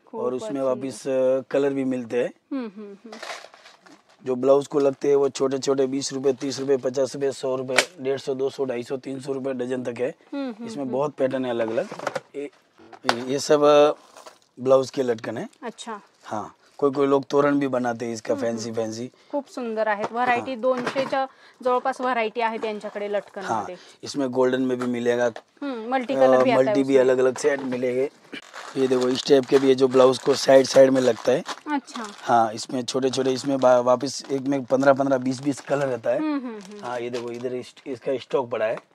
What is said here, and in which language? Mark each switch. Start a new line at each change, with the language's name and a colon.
Hindi: और उसमें वापिस कलर भी मिलते हैं। जो ब्लाउज को लगते हैं वो छोटे छोटे 20 रुपए, 30 रुपए, 50 रुपए, 100 रुपए, 150-200, 250, 300 रुपए डजन तक है। इसमें बहुत पैटर्न है अलग अलग। ये सब ब्लाउज के लटकन है। अच्छा। हाँ, कोई कोई लोग तोरण भी बनाते हैं इसका, फैंसी फैंसी।
Marathi: खूप सुंदर आहेत व्हरायटी, 200 जवळपास व्हरायटी आहे त्यांच्याकडे लटकन।
Hindi: हाँ, इसमें गोल्डन में भी मिलेगा, मल्टी कलर भी, मल्टी भी अलग अलग सेट मिलेगा। ये देखो, इस टाइप के भी है जो ब्लाउज को साइड साइड में लगता है। अच्छा। हाँ, इसमें छोटे छोटे, इसमें वापस एक में 15-15, 20-20 कलर रहता है। हाँ, ये देखो इधर इसका स्टॉक पड़ा है।